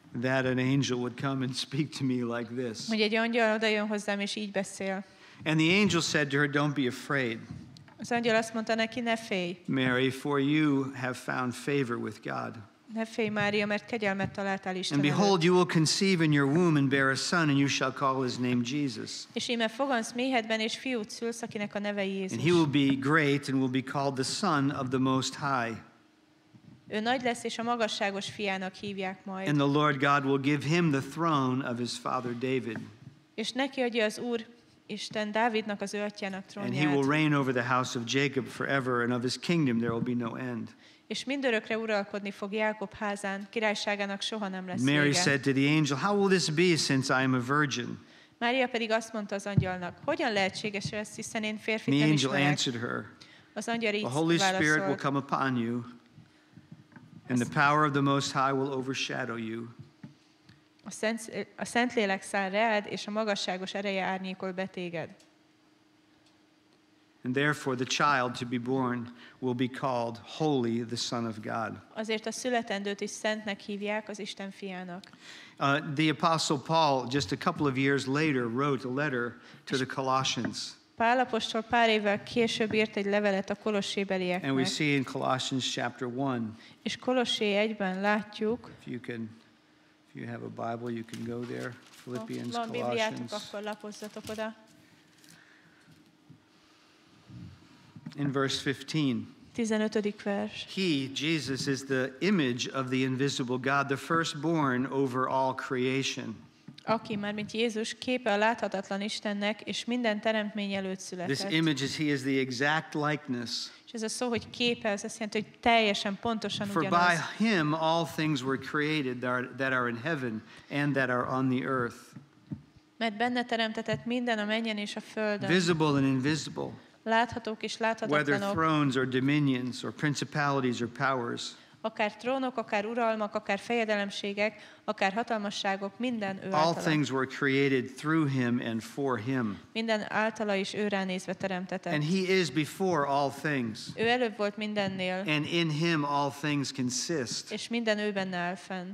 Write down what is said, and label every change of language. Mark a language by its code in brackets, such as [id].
[en] That an angel would come and speak to me like this. [hu] Egy angyal odajön hozzám, és így beszél. [en] And the angel said to her, don't be afraid. [hu] Az angyal azt mondta neki, ne félj. [en] Mary, for you have found favor with God. [hu] Ne félj, Mária, mert kegyelmet találtál Isten. [en] And behold, you will conceive in your womb and bear a son, and you shall call his name Jesus. [hu] És íme fogansz méhedben, és fiút szülsz, akinek a neve Jézus. [en] And he will be great and will be called the Son of the Most High. [hu] Ő nagy lesz, és a magasságos fiának hívják majd. [en] And the Lord God will give him the throne of his father David. [hu] És neki adja az Úr Isten Dávidnak, az ő atyának trónját. [en] And he will reign over the house of Jacob forever, and of his kingdom there will be no end. [hu] És mindörökre uralkodni fog Jákob házán, királyságának soha nem lesz vége. [en] Mary said to the angel, how will this be since I am a virgin? [hu] Mária pedig azt mondta az angyalnak, hogyan lehetséges ez, hiszen én férfit nem ismerek. [en] The angel answered her, [hu] az angyal így válaszolt, [en] the Holy Spirit will come upon you, and the power of the Most High will overshadow you. [hu] A Szent Lélek száll rád, és a magasságos ereje árnyékol betéged. [en] And therefore the child to be born will be called holy, the Son of God. [hu] Azért a születendőt is szentnek hívják, az Isten fiának. [en] The Apostle Paul, just a couple of years later, wrote a letter to the Colossians. [hu] Pál apostol pár évvel később írt egy levelet a kolossébelieknek. [en] And we see in Colossians chapter 1. [hu] És Kolossé 1-ben látjuk. [en] If you have a Bible, you can go there. Philippians, Colossians. [hu] Akkor lapozzatok oda. [en] In verse 15. [hu] 15. vers. [en] He, Jesus, is the image of the invisible God, the firstborn over all creation. [hu] Aki, mármint Jézus, képe a láthatatlan Istennek, és minden teremtmény előtt született. [en] This image is, he is the exact likeness. [hu] És ez a szó, hogy képe, az azt jelenti, hogy teljesen pontosan ugyanaz. [en] For by him all things were created that are in heaven and that are on the earth. [hu] Mert benne teremtetett minden a mennyen és a földön. [en] Visible and invisible. [hu] Láthatók és láthatatlanok. [en] Whether thrones or dominions or principalities or powers. [hu] Akár trónok, akár uralmak, akár fejedelemségek, akár hatalmasságok, minden ő általa. [en] All things were created through him and for him. [hu] Minden általa is őrá nézve teremtetett. [en] And he is before all things. [hu] Ő előbb volt mindennél. [en] And in him all things consist. [hu] És minden ő benne áll fenn.